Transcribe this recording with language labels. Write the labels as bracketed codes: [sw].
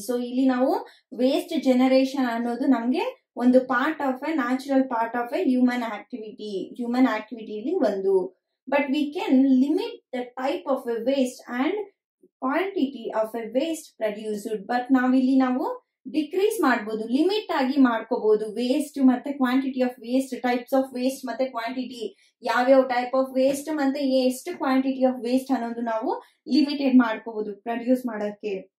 [kn] So ಇಲ್ಲಿ ನಾವು waste generation ಅನ್ನೋದು ನಮ್ಗೆ ಒಂದು [en] part of a natural part of a human activity [kn] ಇಲ್ಲಿ ಒಂದು. [en] But we can limit the type of a waste and quantity of a waste produced. [kn] But ನಾವಿಲ್ಲಿ ನಾವು decrease ಮಾಡ್ಬೋದು, ಲಿಮಿಟ್ ಆಗಿ ಮಾಡ್ಕೋಬಹುದು ವೇಸ್ಟ್ ಮತ್ತೆ quantity of waste, types of waste ಮತ್ತೆ quantity, ಯಾವ್ಯಾವ ಟೈಪ್ ಆಫ್ ವೇಸ್ಟ್ ಮತ್ತೆ ಎಷ್ಟು ಕ್ವಾಂಟಿಟಿ ಆಫ್ ವೇಸ್ಟ್ ಅನ್ನೋದು ನಾವು ಲಿಮಿಟೆಡ್ ಮಾಡ್ಕೋಬಹುದು ಪ್ರೊಡ್ಯೂಸ್ ಮಾಡೋಕೆ.